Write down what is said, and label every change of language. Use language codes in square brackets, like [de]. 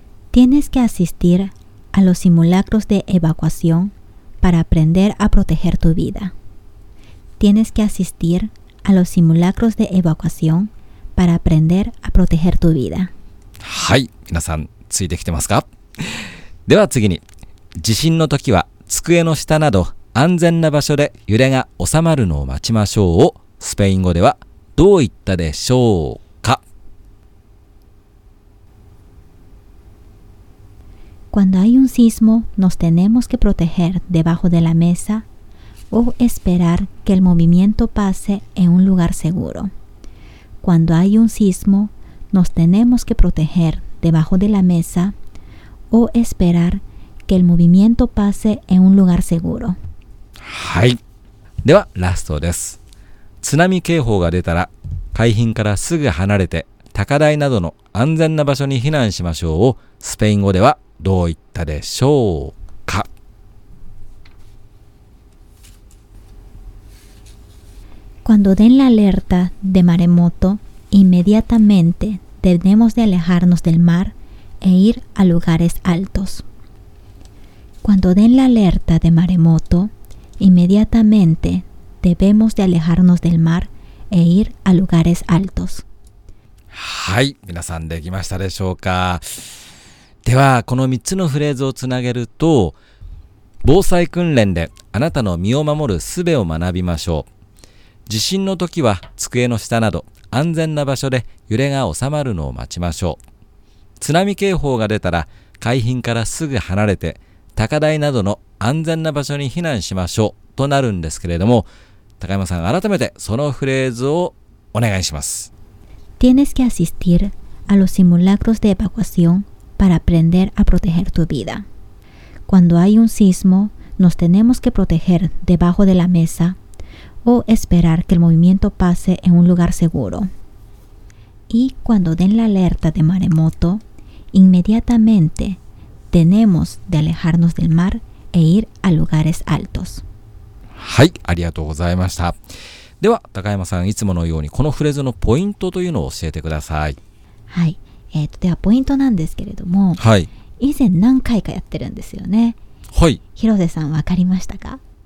[es] Tienes que asistir a los simulacros de evacuación para aprender a proteger tu vida. Tienes que asistir a los simulacros de evacuación para aprender a proteger tu vida. [ja] はい、皆さんついてきてますか？では次に、地震の時は机の下など安全な場所で揺れが収まるのを待ちましょうをスペイン語ではどう言ったでしょうか？ [es] Cuando hay un sismo, nos tenemos que proteger debajo de la mesa o esperar que el movimiento pase en un lugar seguro. Cuando hay un sismo, nos tenemos que proteger debajo de la mesa o esperar que el movimiento pase en un lugar seguro. [ja] はい。では、ラストです。津波警報が出たら、海浜からすぐ離れて高台などの安全な場所に避難しましょうをスペイン語ではどう言ったでしょうか？ Cuando den la alerta de maremoto, inmediatamente tenemos de alejarnos del mar e ir a lugares altos. Cuando den la alerta de maremoto, inmediatamente debemos de alejarnos del mar e ir a lugares altos. はい、皆さんできましたでしょうか？では、この3つのフレーズをつなげると、防災訓練であなたの身を守る術を学びましょう。地震の時は机の下など安全な場所で揺れが収まるのを待ちましょう。津波警報が出たら海浜からすぐ離れて高台などの安全な場所に避難しましょうとなるんですけれども、高山さん、改めてそのフレーズをお願いします。 [es] Tienes que asistir a los simulacros de evacuación para aprender a proteger tu vida. Cuando hay un sismo, nos tenemos que proteger debajo de la mesa o esperar que el movimiento pase en un lugar seguro. Y cuando den la alerta de maremoto, inmediatamente tenemos de alejarnos del mar e ir a lugares altos. [ja] はい、ありがとうございました。では、高山さん、いつものようにこのフレーズのポイントというのを教えてください。はい、ではポイントなんですけれども、はい、以前何回かやってるんですよね。はい。広瀬さん、わかりましたか？